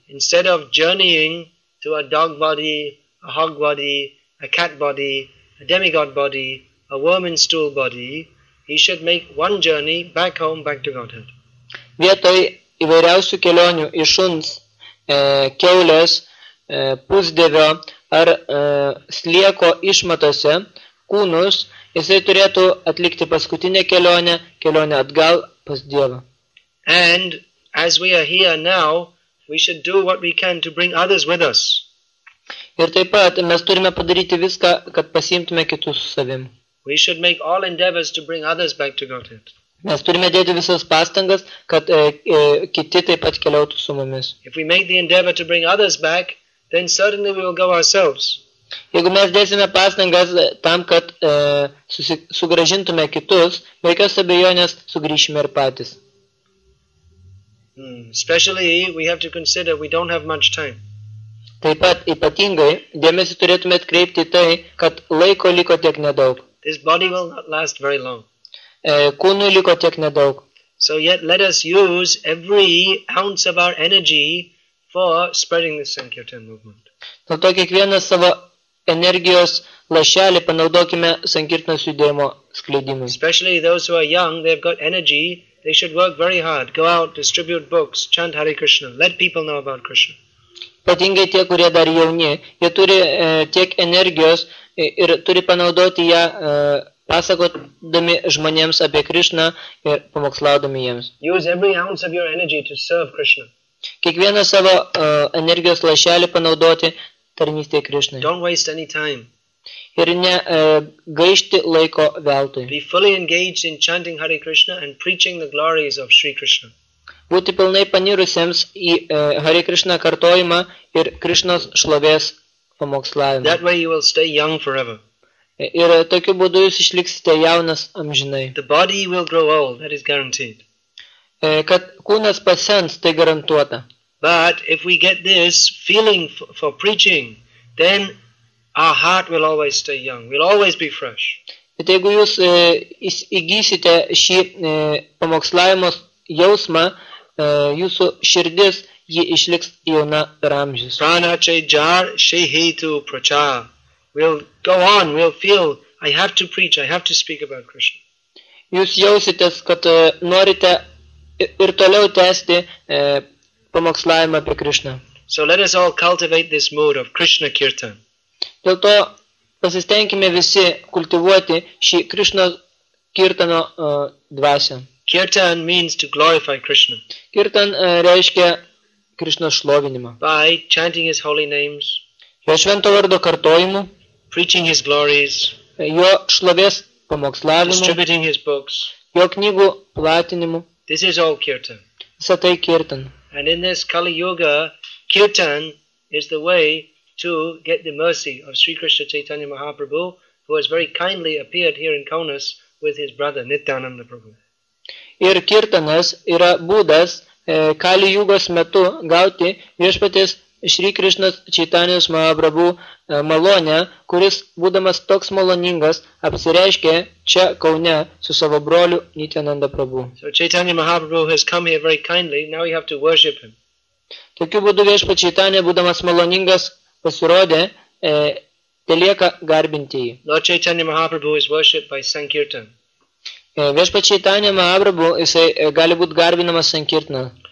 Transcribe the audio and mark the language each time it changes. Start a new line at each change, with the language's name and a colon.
English: Instead of journeying to a dog body, a hog body, a cat body, a demigod body, a worm in stool body, he should make one journey back home, back to Godhead.
Lithuanian: Vietoj įvairiausių kelionių iš šuns, kiaulės, pusdėvio ar slieko išmatose kūnus, jisai turėtų atlikti paskutinę kelionę, kelionę atgal pas Dievą.
English: And as we are here now, we should do what we can to bring others with us.
Lithuanian: Ir taip pat mes turime padaryti viską, kad pasiimtume kitus su savim.
English: We should make all endeavors to bring others back to Godhead.
Lithuanian: Mes turime dėti visas pastangas, kad kiti taip pat keliautų su mumis.
English: If we make the endeavor to bring others back, then certainly we will go ourselves.
Lithuanian: Jeigu mes dėsime pastangas tam, kad sugražintume kitus, be jokios abejonės sugrįšime ir patys.
English: Especially we have to consider we don't have much time.
Lithuanian: Taip pat ypatingai dėmesį turėtume atkreipti tai, kad laiko liko tiek nedaug.
English: This body will not last very long.
Lithuanian: Kūnui liko tiek nedaug.
English: So yet let us use every ounce of our energy for spreading the Sankirtan movement.
Lithuanian: Dėl to kiekvienas savo energijos lašelį panaudokime Sankirtanos judėjimo skleidimui.
English: Especially those who are young, they have got energy, they should work very hard, go out, distribute books, chant Hare Krishna, let people know about Krishna.
Lithuanian: Patingai tie, kurie dar jauni, jie turi tiek energijos ir turi panaudoti ją pasakodami žmonėms apie Krishna ir pamokslaudami jiems.
English: Use every ounce of your energy to serve Krishna.
Lithuanian: Kiekvieną savo energijos lašelį panaudoti tarnystėje Krishnai.
English: Don't waste any time.
Lithuanian: Ir ne gaišti laiko veltui.
English: Be fully engaged in chanting Hare Krishna and preaching the glories of Sri Krishna.
Lithuanian: Būti pilnai panirusiems į Hare Krishna kartojimą ir Krishnos šlovės pamokslavimą.
English: That way you will stay young forever.
Lithuanian: Ir tokiu būdu jūs išliksite jaunas amžinai.
English: The body will grow old, that is guaranteed.
Lithuanian: Kad kūnas pasens, tai garantuota.
English: But if we get this feeling for preaching, then our heart will always stay young. We'll always be fresh.
Lithuanian: Bet jeigu jūs įgysite šį pamokslavimo jausmą, jūsų širdis ji išliks jauna per amžius.
Bangla: Prana chai jar shihitu prachar.
English: We'll go on, we'll feel, I have to preach, I have to speak about Krishna.
Lithuanian: Jūs jausitės, kad norite ir toliau tęsti pamokslavimą apie Krishna.
English: So let us all cultivate this mood of Krishna Kirtan.
Lithuanian: Dėl to pasistengime visi kultivuoti šį Krishna Kirtano dvasę.
English: Kirtan means to glorify Krishna.
Lithuanian: Kirtan reiškia Krishna šlovinimą.
English: By chanting his holy names.
Lithuanian: Jo švento vardo kartojimu.
English: Preaching his glories.
Lithuanian: Jo šlovės pamokslavimu.
English: Distributing his books.
Lithuanian: Jo knygų platinimu.
English: This is all kirtan.
Lithuanian: Visa tai kirtan.
English: And in this Kali Yuga, kirtan is the way to get the mercy of Sri Krishna Chaitanya Mahaprabhu, who has very kindly appeared here in Kaunas with his brother Nityananda Prabhu.
Lithuanian: Ir kirtanas yra būdas Kali Yugos metu gauti viešpaties Sri Krishna Chaitanya Mahaprabhu malonę, kuris būdamas toks maloningas apsireiškė čia Kaune su savo broliu Nityananda Prabhu.
English: So Chaitanya Mahaprabhu has come here very kindly, now we have to worship him.
Lithuanian: Tokiu būdu viešpats Chaitanya, būdamas maloningas, pasirodė, telieka garbinti jį.
English: Lord Chaitanya Mahaprabhu is worshipped by Sankirtan.
Lithuanian: Viešpats Chaitanya Mahaprabhu, jisai gali būti garbinamas Sankirtana.